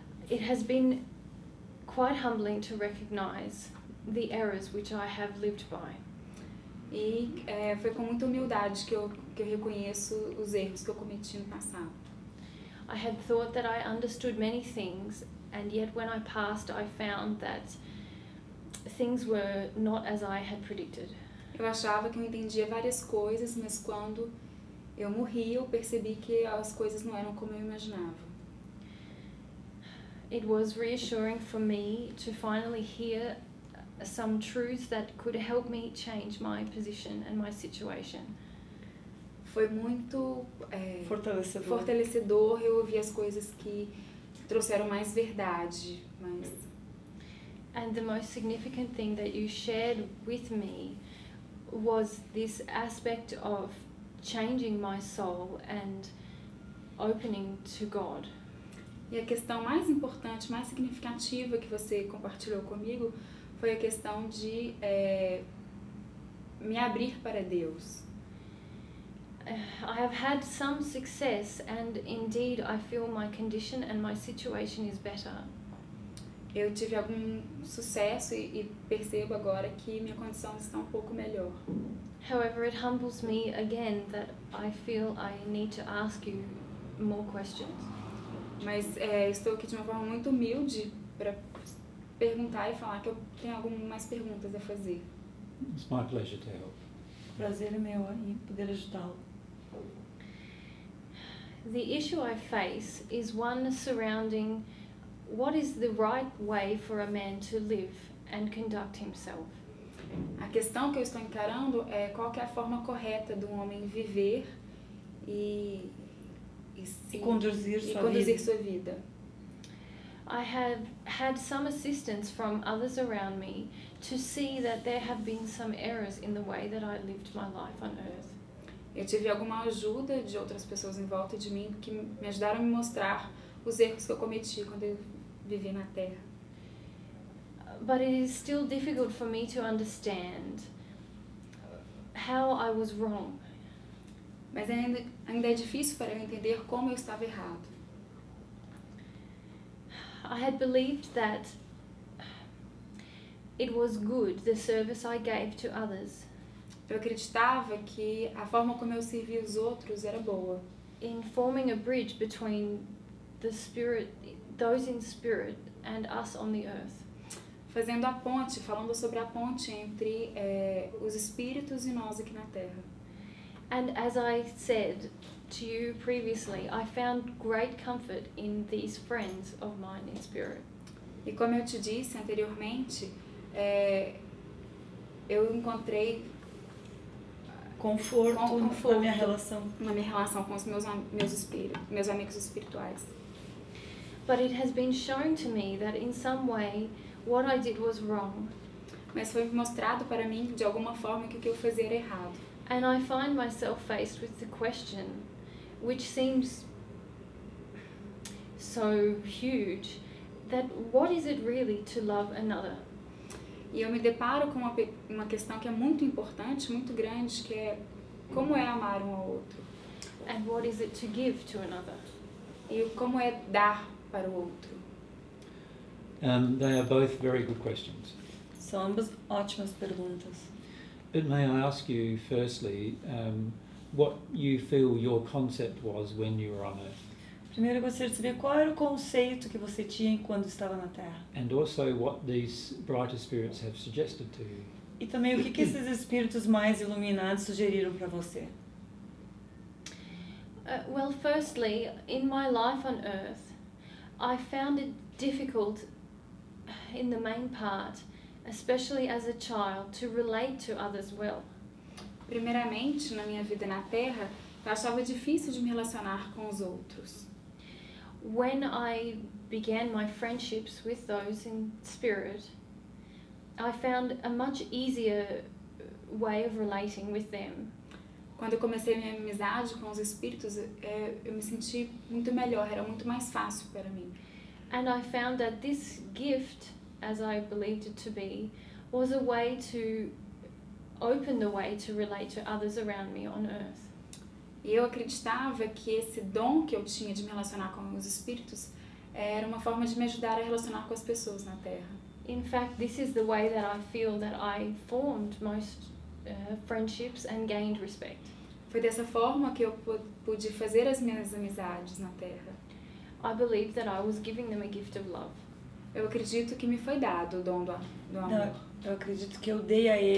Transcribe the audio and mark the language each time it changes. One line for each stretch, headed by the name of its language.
English: It has been quite humbling to recognize the errors which I have lived by.
Portuguese: E foi com muita humildade que eu reconheço os erros que eu cometi no passado.
English: I had thought that I understood many things, and yet when I passed, I found that things were not as I had predicted.
Portuguese: Eu achava que eu entendia várias coisas, mas quando eu morri, eu percebi que as coisas não eram como eu imaginava.
English: It was reassuring for me to finally hear some truths that could help me change my position and my situation.
Portuguese: Foi muito fortalecedor eu ouvir as coisas que trouxeram mais verdade, mas...
English: And the most significant thing that you shared with me was this aspect of changing my soul and opening to God.
Portuguese: E a questão mais importante, mais significativa que você compartilhou comigo foi a questão de me abrir para Deus.
English: I have had some success, and indeed I feel my condition and my situation is better.
Portuguese: Eu tive algum sucesso e percebo agora que minha condição está um pouco melhor.
English: However, it humbles me again that I feel I need to ask you more questions.
Portuguese: Mas estou aqui de uma forma muito humilde para perguntar e falar que eu tenho algumas perguntas a fazer.
English: It's my pleasure to help.
Portuguese: Prazer é meu em poder ajudá-lo.
English: The issue I face is one surrounding what is the right way for a man to live and conduct himself.
Portuguese: A questão que eu estou encarando é qual que é a forma correta de um homem viver e conduzir sua vida.
English: I have had some assistance from others around me to see that there have been some errors in the way that I lived my life on earth.
Portuguese: Eu tive alguma ajuda de outras pessoas em volta de mim que me ajudaram a me mostrar os erros que eu cometi quando eu vivi na Terra.
English: But it is still difficult for me to understand how I was wrong.
Portuguese: Mas ainda é difícil para eu entender como eu estava errado.
English: I had believed that it was good, the service I gave to others.
Portuguese: Eu acreditava que a forma como eu servi os outros era boa.
English: In forming a bridge between the spirit, those in spirit, and us on the earth.
Portuguese: Fazendo a ponte, falando sobre a ponte entre os espíritos e nós aqui na Terra.
English: And as I said to you previously, I found great comfort in these friends of mine in spirit.
Portuguese: E como eu te disse anteriormente, eu encontrei conforto na minha relação, com os meus amigos espirituais.
English: But it has been shown to me that in some way what I did was wrong.
Portuguese: Mas foi mostrado para mim de alguma forma que o que eu fazia era errado.
English: And I find myself faced with the question, which seems so huge, that what is it really to love another?
Portuguese: E eu me deparo com uma questão que é muito importante, muito grande, que é como é amar um ao outro.
English: And what is it to give to another?
Portuguese: E como é dar para o outro?
English: They are both very good questions.
Portuguese: São ambas ótimas perguntas.
English: But may I ask you, firstly, what you feel your concept was when you were on Earth?
Portuguese: Primeiro, eu gostaria de saber qual era o conceito que você tinha quando estava na Terra.
English: And also what these brighter spirits have suggested to you.
Portuguese: E também o que esses espíritos mais iluminados sugeriram para você?
English: Well, firstly, in my life on Earth, I found it difficult in the main part, especially as a child, to relate to others well.
Portuguese: Primeiramente, na minha vida na Terra, eu achava difícil de me relacionar com os outros.
English: When I began my friendships with those in spirit, I found a much easier way of relating with them.
Portuguese: Quando eu comecei minha amizade com os espíritos, eu me senti muito melhor, era muito mais fácil para mim.
English: And I found that this gift, as I believed it to be, was a way to open the way to relate to others around me on earth.
Portuguese: E eu acreditava que esse dom que eu tinha de me relacionar com os espíritos era uma forma de me ajudar a relacionar com as pessoas na Terra.
English: In fact, this is the way that I feel that I formed most friendships and gained respect.
Portuguese: Foi dessa forma que eu pude fazer as minhas amizades na Terra.
English: I believe that I was giving them a gift of love.
Portuguese: Eu acredito que me foi dado o dom do amor. Não, eu acredito que eu dei a eles.